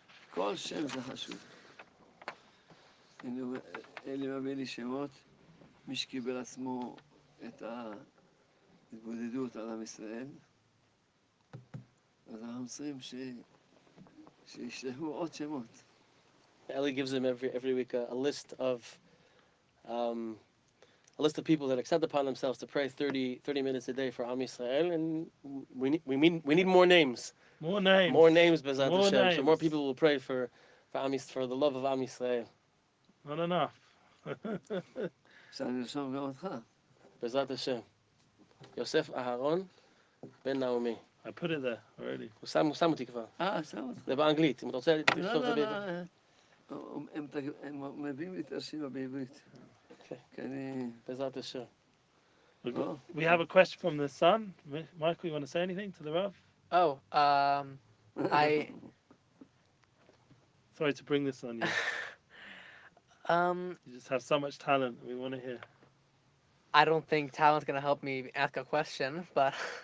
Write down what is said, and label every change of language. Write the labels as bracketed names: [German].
[Hebrew] כל שם זה חשוב. אלי מביא לי שמות, מי שקיבל עצמו את ההתבודדות על עם ישראל. אז אנחנו צריכים שישלחו עוד שמות. [English] Eli gives him every week a list of a list of people that accept upon themselves to pray 30 minutes a day for Am Yisrael, and we need more names. More names, [Hebrew] Bezat Hashem. [English] Names. So more people will pray for the love of Am Yisrael. Not enough. [Hebrew] Bezat Hashem. Yosef Aharon Ben Naomi. [English] I put it there already. Usamuti kva. Ah, [Hebrew] באנגלית, אם אתה רוצה לכתוב את זה בעברית. הם מביאים לי את השיר בעברית. כן, בעזרת השם. [English] We have a question from the son. Michael, you want to say anything to the Rav? Oh, I... Sorry to bring this on you. You just have so much talent. We want to hear. I don't think talent's going to help me ask a question, but...